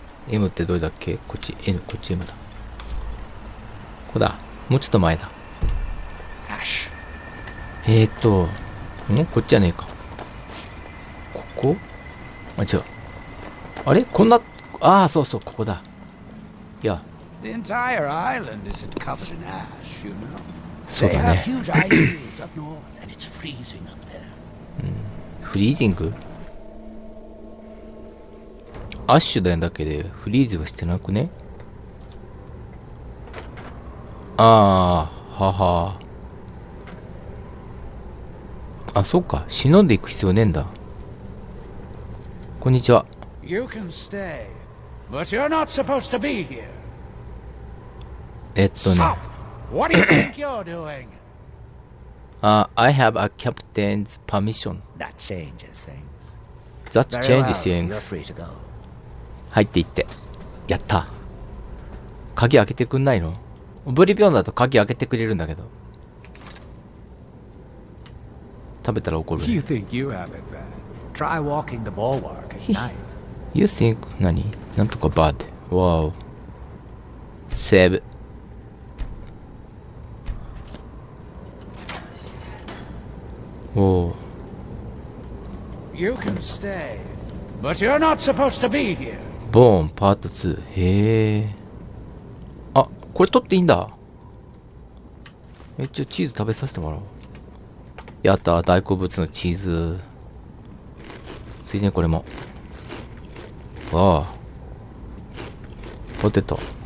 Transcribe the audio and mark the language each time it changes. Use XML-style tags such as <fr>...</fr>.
<ja>M ってどれだっけ？こっち N、 こっち M だ。ここだ、もうちょっと前だ。こっちじゃねえか。ここ？あ、違う。あれ？こんな、ああ、そうそう、ここだ。いや。</ja> <en>The entire island is covered in ash, you know.</en> <ja>そうだ</ja> <en>They have</en> <ja>ね。</ja> <en>huge ice fields up north, and it's freezing up there.</en> <ja>フリージング？アッシュだよ、だけで、フリーズはしてなくね？ああ、はは。あ、そっか、忍んでいく必要ねえんだ。こんにちは。</ja> <en>You can stay, but you're not supposed to be here. Stop! What do you think you're doing? I have a captain's permission. That changes things. That Very changes things. You're free to go.</en> <ja>入っていって。やった。鍵開けてくんないの？オブリビオンだと鍵開けてくれるんだけど。食べたら怒るね。</ja> <en>You think you have it bad? Try walking the bulwark at night. You think</en> <ja>何？なんとか</ja> <en>bad。</en> <ja>Wow。 セーブ。おお。</ja> <en>You can stay, but you're not supposed to be here.</en> <ja>ボーンパート2。へえ。あ、これ取っていいんだ。一応チーズ食べさせてもらおう。やった、大好物のチーズ。ついでにこれも。わあ。ポテト。</ja>